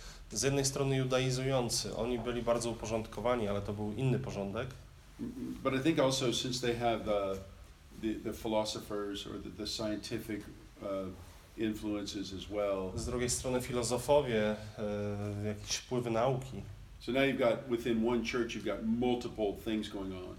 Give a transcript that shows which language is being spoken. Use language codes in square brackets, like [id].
[pl] Z jednej strony judaizujący, oni byli bardzo uporządkowani, ale to był inny porządek. [en] But I think also since they have the philosophers or the scientific influences as well. [pl] Z drugiej strony filozofowie, jakieś wpływy nauki. [en] So now you've got within one church you've got multiple things going on.